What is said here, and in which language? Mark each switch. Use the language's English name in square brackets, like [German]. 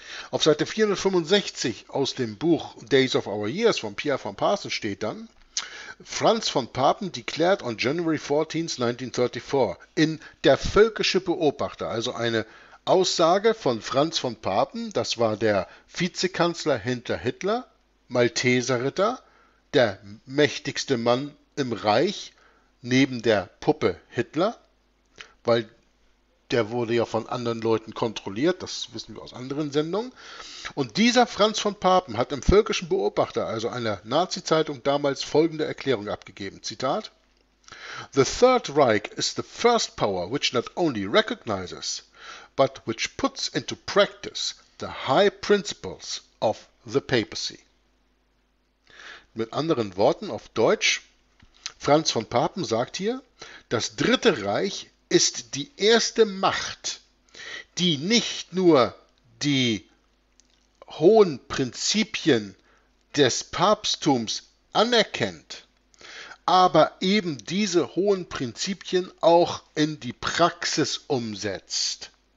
[German] Auf Seite 465 aus dem Buch Days of Our Years von Pierre van Paassen steht dann: Franz von Papen [English] declared on January 14th, 1934 in [German] Der Völkische Beobachter, also eine Aussage von Franz von Papen, das war der Vizekanzler hinter Hitler, Malteserritter, der mächtigste Mann im Reich neben der Puppe Hitler, weil Der wurde ja von anderen Leuten kontrolliert, das wissen wir aus anderen Sendungen. Und dieser Franz von Papen hat im Völkischen Beobachter, also einer Nazi-Zeitung, damals folgende Erklärung abgegeben. [English] Zitat: The Third Reich is the first power which not only recognizes, but which puts into practice the high principles of the papacy. [German] Mit anderen Worten auf Deutsch, Franz von Papen sagt hier, das Dritte Reich ist die erste Macht, die nicht nur die hohen Prinzipien des Papsttums anerkennt, aber eben diese hohen Prinzipien auch in die Praxis umsetzt.